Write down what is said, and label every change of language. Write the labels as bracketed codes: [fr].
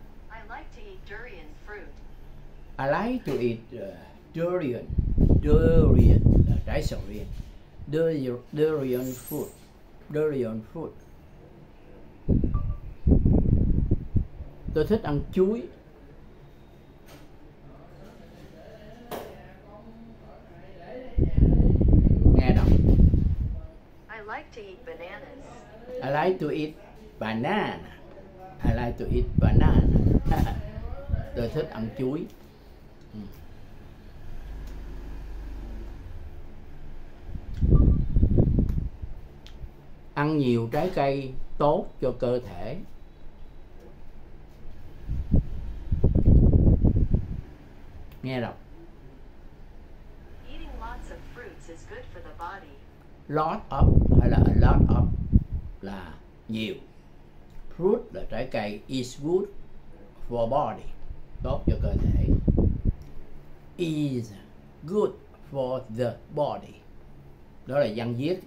[en] I like to eat durian fruit. I like to eat durian. [vi] Durian là trái sầu riêng. [en] Durian fruit. Durian fruit. [vi] Tôi thích ăn chuối. Nghe đọc. [en] I like to eat bananas. I like to eat banana. I like to eat banana. [vi] Tôi thích ăn chuối. Ăn nhiều trái cây tốt cho cơ thể. Nghe đọc. [en] Eating lots of fruits is good for the body. Lot of [vi] hay là [en] a lot of [vi] là nhiều. Fruit là trái cây. [en] Is good for body. [vi] Tốt cho cơ thể. [en] Is good for the body. [vi] Đó là văn viết.